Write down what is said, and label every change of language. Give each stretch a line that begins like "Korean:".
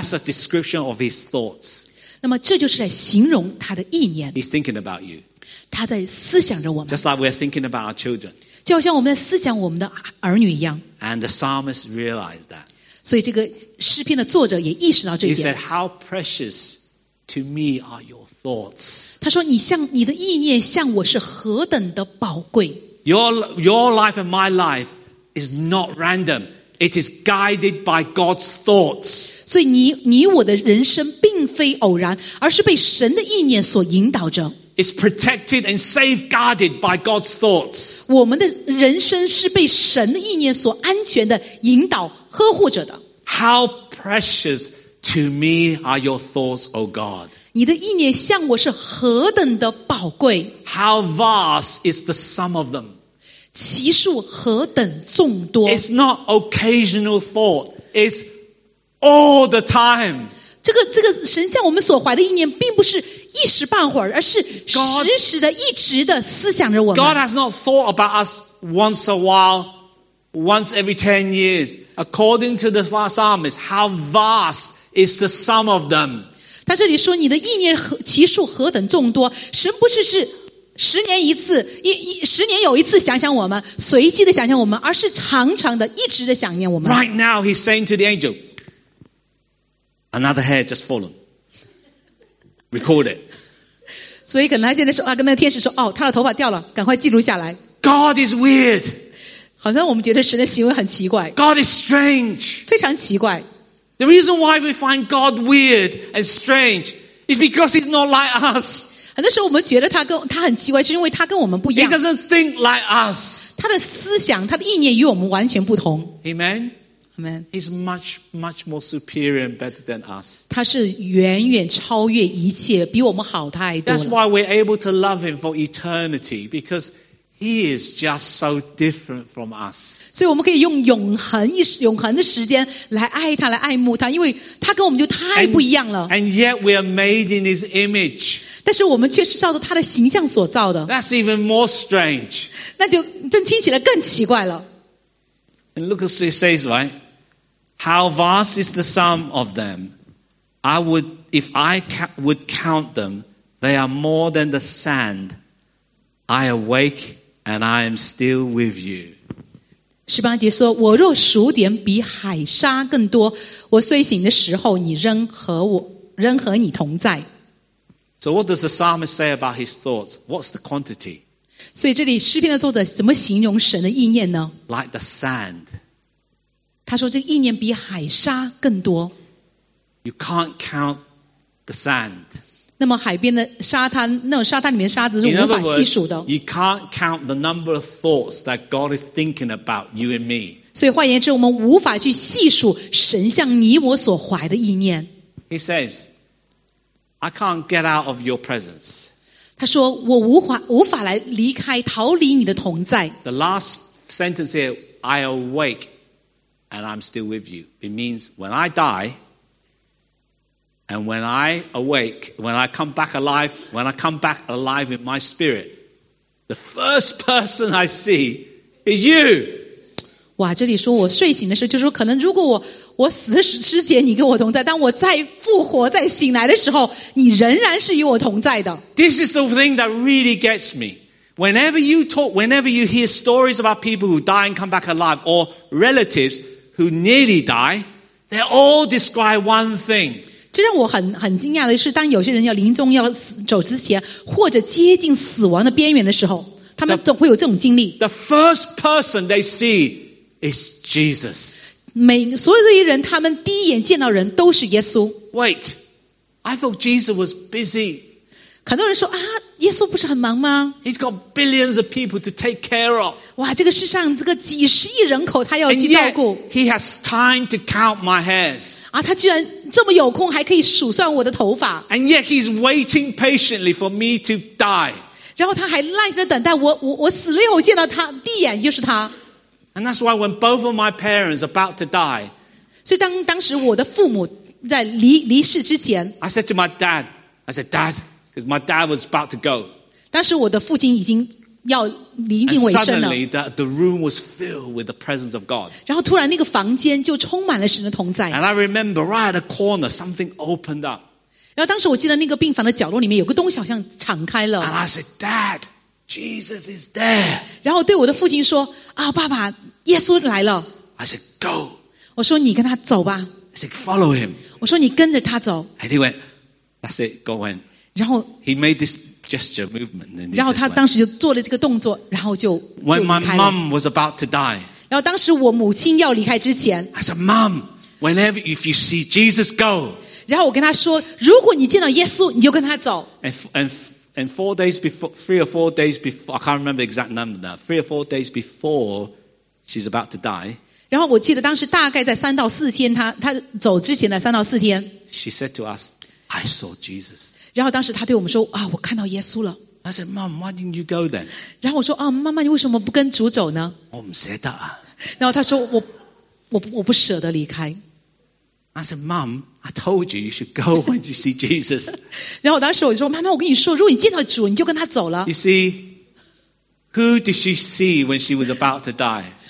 English: That's a description of his thoughts.
Chinese: 那么这就是来形容他的意念。
English: He's thinking about you.
Chinese: 他在思想着我们。
English: Just like we're thinking about our children.
Chinese: 就好像我们在思想我们的儿女一样。
English: And the psalmist realized that.
Chinese: 所以这个诗篇的作者也意识到这一点。
English: He said, "How precious to me are your thoughts."
Chinese: 他说，你的意念向我是何等的宝贵。
English: Your life and my life. Is not random. It is guided by God's thoughts.
Chinese: 所以你我的人生并非偶然，而是被神的意念所引导着。
English: It's protected and safeguarded by God's thoughts.
Chinese: 我们的人生是被神的意念所安全的引导呵护着的。
English: How precious to me are your thoughts, O God?
Chinese: 你的意念向我是何等的宝贵。
English: How vast is the sum of them?
Chinese: 其数何等众多。
English: It's not occasional thought, it's all the time.
Chinese: 这个神向我们所怀的意念并不是一时半会儿，而是时时的一直的思想着我们。
English: God has not thought about us once a while, once every 10 years. According to the psalmist, how vast is the sum of them.
Chinese: 他这里说你的意念其数何等众多，神不是十年一次，十年有一次想想我们，随机的想想我们，而是常常的、一直的想念我们。
English: Right now, he's saying to the angel, "Another hair just fallen. Record it."
Chinese: 所以可能他现在说啊，跟那个天使说，哦，他的头发掉了，赶快记录下来。
English: God is weird.
Chinese: 好像我们觉得神的行为很奇怪。
English: God is strange.
Chinese: 非常奇怪。
English: The reason why we find God weird and strange is because he's not like us.
Chinese: 很多时候我们觉得他很奇怪，是因为他跟我们不一样。
English: He doesn't think like us.
Chinese: 他的思想、他的意念与我们完全不同。
English: Amen. Amen. He's much, much more superior and better than us.
Chinese: 他是远远超越一切，比我们好太多了。
English: That's why we're able to love him for eternity, because he is just so different from us.
Chinese: 所以我们可以用永恒的时间来爱他、来爱慕他，因为他跟我们就太不一样了。
English: And yet we are made in his image.
Chinese: 但是我们却是照着他的形象所造的。
English: That's even more strange.
Chinese: 那就真听起来更奇怪了。
English: And look as he says, right? How vast is the sum of them? If I would count them, they are more than the sand. I awake and I am still with you.
Chinese: 十八节说：“我若数点比海沙更多，我睡醒的时候，你仍和你同在。”
English: So what does the psalmist say about his thoughts? What's the quantity?
Chinese: 所以这里诗篇的作者怎么形容神的意念呢？
English: Like the sand.
Chinese: 他说这个意念比海沙更多。
English: You can't count the sand.
Chinese: 那么海边的沙滩，那种沙滩里面沙子是无法细数的。
English: You can't count the number of thoughts that God is thinking about you and me.
Chinese: 所以换言之，我们无法去细数神向你我所怀的意念。
English: He says,I can't get out of your presence.
Chinese: 他说我无法来离开逃离你的同在。
English: The last sentence here, I awake and I'm still with you. It means when I die and when I awake, when I come back alive in my spirit, the first person I see is you.
Chinese: 哇，这里说我睡醒的时候，就是说可能如果我死之前你跟我同在，当我再复活再醒来的时候，你仍然是与我同在的。
English: This is the thing that really gets me. Whenever you hear stories about people who die and come back alive, or relatives who nearly die, They all describe one thing.
Chinese: 这让我很惊讶的是，当有些人要临终要走之前，或者接近死亡的边缘的时候，他们总会有这种经历。
English: The first person they see is Jesus.
Chinese: 所有这些人，他们第一眼见到人都是耶稣。
English: Wait, I thought Jesus was busy.
Chinese: 很多人说啊，耶稣不是很忙吗
English: ？He's got billions of people to take care of.
Chinese: 哇，这个世上这个几十亿人口，他要去照顾。
English: And yet, he has time to count my hairs.
Chinese: 啊，他居然这么有空，还可以数算我的头发。
English: And yet, he's waiting patiently for me to die.
Chinese: 然后他还耐心的等待我死了以后见到他，第一眼就是他。
English: And that's why when both of my parents are about to die,
Chinese: 所以当时我的父母在离世之前
English: ，I said to my dad, I said, Dad. Because my dad was about to go.
Chinese: 当时我的父亲已经要临近尾声了。
English: And suddenly, the room was filled with the presence of God.
Chinese: 然后突然那个房间就充满了神的同在。
English: And I remember right at the corner, something opened up.
Chinese: 然后当时我记得那个病房的角落里面有个东西好像敞开了。
English: And I said, Dad, Jesus is there.
Chinese: 然后对我的父亲说，啊，爸爸，耶稣来了。
English: I said, Go.
Chinese: 我说你跟他走吧。
English: I said, Follow him.
Chinese: 我说你跟着他走。
English: And he went, That's it, go in.
Chinese: 然后
English: he made this gesture movement.
Chinese: 然后他当时就做了这个动作，然后就离开了。
English: When my mom was about to die,
Chinese: 然后当时我母亲要离开之前
English: ，I said, "Mom, whenever if you see Jesus go,"
Chinese: 然后我跟他说，如果你见到耶稣，你就跟他走。
English: And four days before, three or four days before, I can't remember the exact number now. Three or four days before she's about to die.
Chinese: 然后我记得当时大概在三到四天，他走之前的三到四天
English: ，She said to us, "I saw Jesus."
Chinese: 然后当时他对我们说啊，我看到耶稣了。
English: I said, Mom, why didn't you go then?
Chinese: 然后我说啊，妈妈，你为什么不跟主走呢？我不舍得啊。然后他说我不舍得离开。
English: I said, Mom, I told you you should go when you see Jesus.
Chinese: 然后当时我就说，妈妈，我跟你说，如果你见到主，你就跟他走了。
English: You see, who did she see when she was about to die?